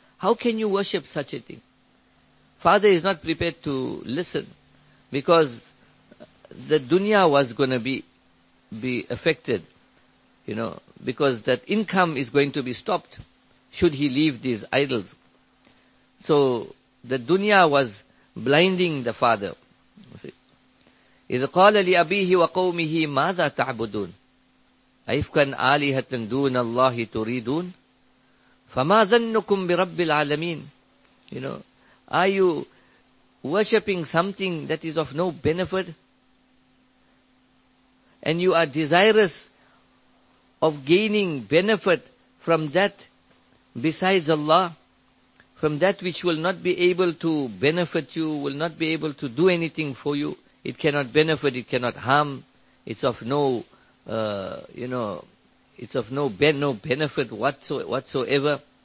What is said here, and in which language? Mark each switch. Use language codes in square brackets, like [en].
[en] How can you worship such a thing? Father is not prepared to listen because the dunya was going to be affected, you know, because that income is going to be stopped should he leave these idols. So the dunya was blinding the father. [ar] إِذْ قَالَ لِأَبِيهِ وَقَوْمِهِ مَاذَا تَعْبُدُونَ أَيْفْكَنْ آلِهَةً دُونَ اللَّهِ تُرِيدُونَ فَمَا ظَنُّكُمْ بِرَبِّ الْعَالَمِينَ. [en] You know, are you worshipping something that is of no benefit? And you are desirous of gaining benefit from that besides Allah, from that which will not be able to benefit you, will not be able to do anything for you. It cannot benefit, it cannot harm. It's of no, you know, it's of no benefit whatsoever.